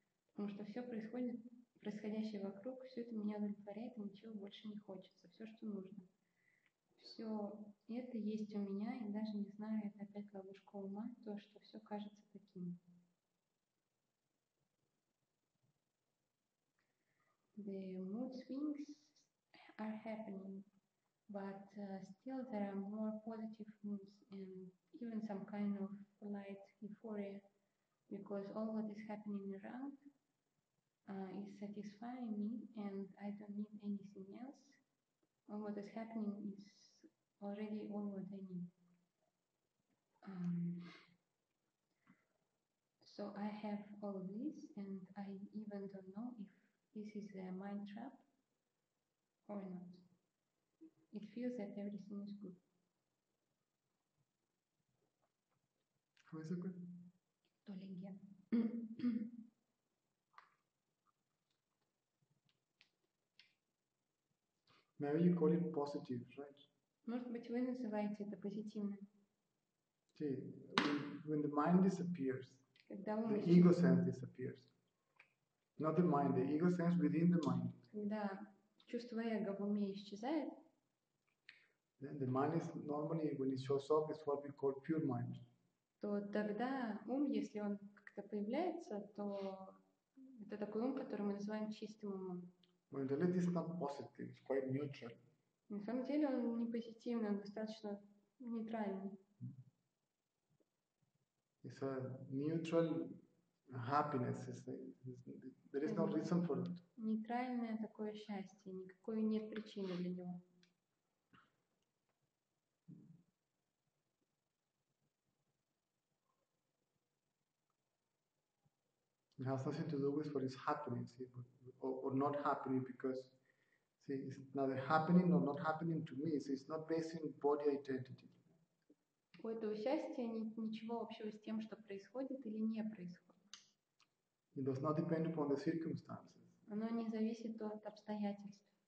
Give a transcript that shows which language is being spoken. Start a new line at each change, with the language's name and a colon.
Russian: Потому что все происходит, происходящее вокруг, все это меня удовлетворяет, и ничего больше не хочется. Все, что нужно. Все это есть у меня, и даже не знаю, это опять ловушка ума, то, что все кажется таким.
English: The mood swings are happening, but still there are more positive moods and even some kind of light euphoria, because all what is happening around is satisfying me and I don't need anything else. All what is happening is already all what I need. So I have all of this and I even don't know if this is a mind trap or not. It feels that everything is good. How is it good? Tolingia. Maybe you call it positive, right?
Russian: Может быть, вы называете это позитивным.
English: See, when the mind disappears, the ego sense disappears. Not the mind, the ego sense within the mind.
Russian: Когда чувство эго в уме исчезает,
English: then the mind is normally, when it shows up, it's what we call pure mind.
Russian: То тогда ум, если он как-то появляется, то это такой ум, который мы называем чистым умом.
English: Well, the lid is not positive, it's quite neutral.
Russian: На самом деле он не позитивный, он достаточно нейтральный.
English: It's a neutral happiness, there is no reason for it.
Russian: Нейтральное такое счастье, никакой нет причины для него.
English: It has nothing to do with what is happening, see, or not happening, because see, it's neither happening nor not happening to me. So it's not based in body identity.
Russian: У этого счастья нет ничего общего с тем, что происходит или не происходит.
English: It does not depend upon the circumstances.
Russian: Оно не зависит от обстоятельств.